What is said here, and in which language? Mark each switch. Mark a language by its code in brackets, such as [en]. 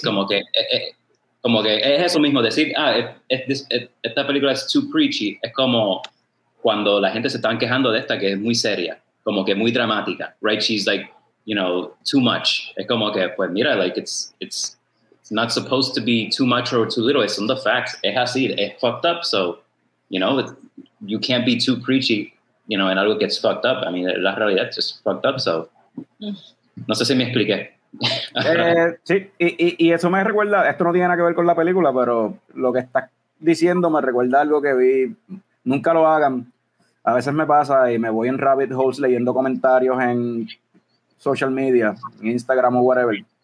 [es] Como que es eso mismo, decir, ah, esta película es [en] too preachy, [es] es como cuando la gente se están quejando de esta, que es muy seria, como que muy dramática, right? [en] She's like, you know, too much. [es] Es como que, pues mira, [en] like, it's not supposed to be too much or too little, it's on the facts, [es] es así, [en] es fucked up, so, you know, you can't be too preachy, you know, and algo gets fucked up. I mean, [es] la realidad es [en] just fucked up, so. [es] No sé si me expliqué. Sí, y eso me recuerda, esto no tiene nada que ver con la película, pero lo que estás diciendo me recuerda algo que vi, nunca lo hagan, a veces me pasa y me voy en rabbit holes leyendo comentarios en social media, en Instagram o whatever,